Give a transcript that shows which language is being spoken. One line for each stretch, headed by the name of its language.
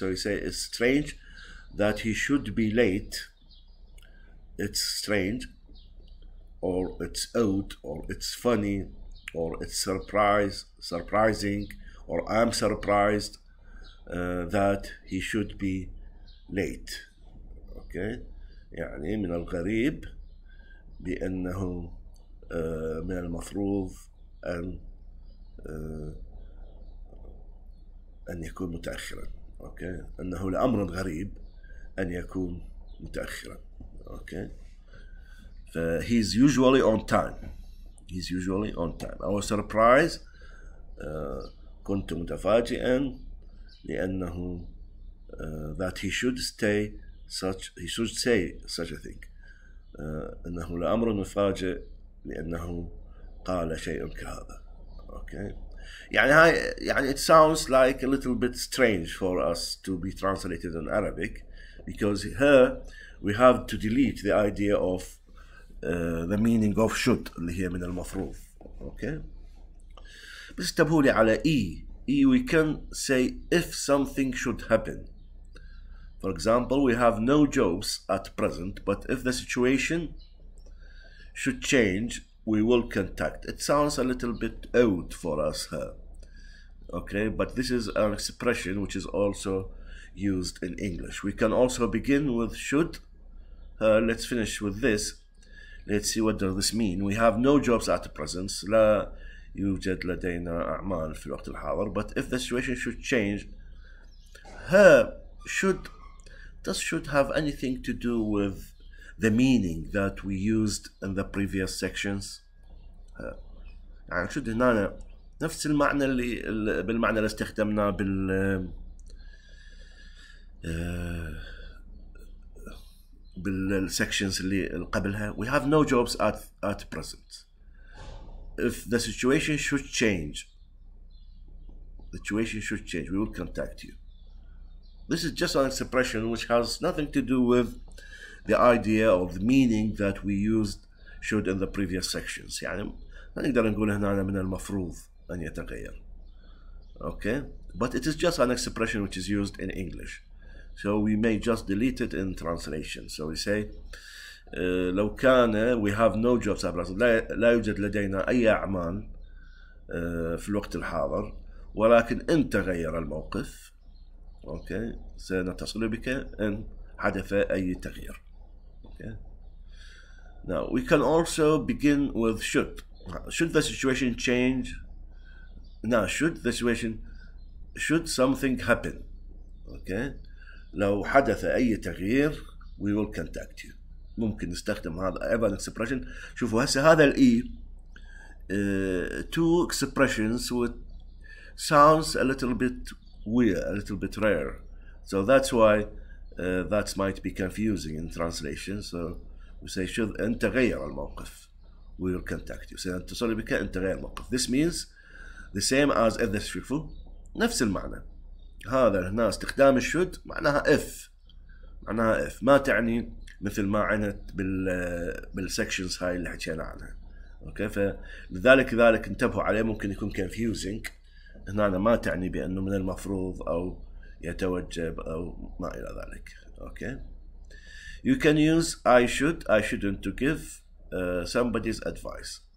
English: So you say it's strange that he should be late. It's strange, or it's odd, or it's funny, or it's surprise, surprising, or I'm surprised that he should be late.
Arabic: Okay, يعني من الغريب بأنه من المفروض أن يكون متأخرا. Okay, أنه لأمر غريب أن يكون متأخرا.
English: Okay, he's usually on time. He's usually on time. I was surprised.
Arabic: كنت متفاجئا لأنه
English: that he should stay such. He should say such a thing.
Arabic: أنه لأمر مفاجئ لأنه قال شيء كهذا.
English: Okay.
Arabic: يعني هاي يعني
English: it sounds like a little bit strange for us to be translated in Arabic, because here we have to delete the idea of the meaning of should
Arabic: اللي هي من المفروض. Okay. بس تبهولي على E.
English: E we can say if something should happen. For example, we have no jobs at present, but if the situation should change, we will contact. It sounds a little bit odd for us here. Okay, but this is an expression which is also used in English. We can also begin with should. Let's finish with this. Let's see what does this mean. We have no jobs at present.
Arabic: لا يوجد لدينا أعمال في الوقت الحاضر.
English: But if the situation should change, her should. Does should have anything to do with the meaning that we used in the previous sections?
Arabic: يعني should هنا نفس المعنى اللي بالمعنى اللي استخدمناه بال بالsections اللي قبلها.
English: We have no jobs at present. If the situation should change, the situation should change, we will contact you. This is just an expression which has nothing to do with the idea or the meaning that we used should in the previous sections.
Arabic: يعني نقدر نقول هنا من المفروض أن يتغير.
English: Okay, but it is just an expression which is used in English. So we may just delete it in translation. So we say,
Arabic: لو كان,
English: we have no jobs at present.
Arabic: لا يوجد لدينا أي أعمال في الوقت الحاضر. ولكن إن تغير الموقف, okay, سنتصل بك إن حدث أي تغيير.
English: Okay. Now we can also begin with should. Should the situation change? Now should the situation, should something happen? Okay.
Arabic: لو حدث أي تغيير,
English: we will contact you.
Arabic: ممكن نستخدم هذا أيضا expression. شوفوا هسه هذا الـ E.
English: Two expressions with sounds a little bit weird, a little bit rare. So that's why that might be confusing in translation. So we say, should
Arabic: إن تغير الموقف,
English: we will contact you.
Arabic: سنتصل بك إن تغير الموقف.
English: This means the same as if the
Arabic: شوفوا نفس المعنى. هذا هنا استخدام الشود معناها if. معناها if. ما تعني مثل ما عنت بالsections هاي اللي حكينا عنها. Okay, فلذلك ذلك انتبهوا عليه, ممكن يكون confusing. هنا ما تعني بأنه من المفروض أو يتوجب أو ما إلى ذلك.
English: Okay. You can use I should, I shouldn't to give somebody's advice.